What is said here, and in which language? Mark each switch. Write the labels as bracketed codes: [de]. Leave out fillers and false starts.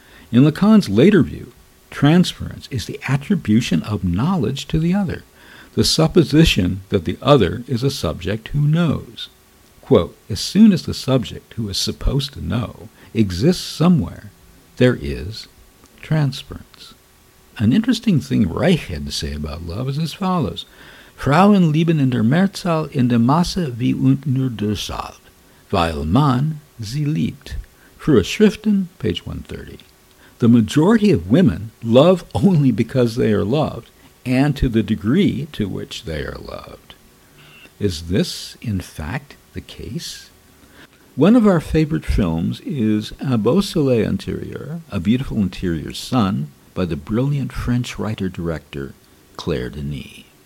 [en] In Lacan's later view, transference is the attribution of knowledge to the other, the supposition that the other is a subject who knows. Quote, as soon as the subject who is supposed to know exists somewhere, there is transference. An interesting thing Reich had to say about love is as follows. [de] Frauen lieben in der Mehrzahl in der Masse wie und nur deshalb, weil man sie liebt. [en] Frühe Schriften, page 130. The majority of women love only because they are loved and to the degree to which they are loved. Is this, in fact, the case? One of our favorite films is Un beau soleil intérieur, A Beautiful Interior Sun, by the brilliant French writer-director Claire Denis.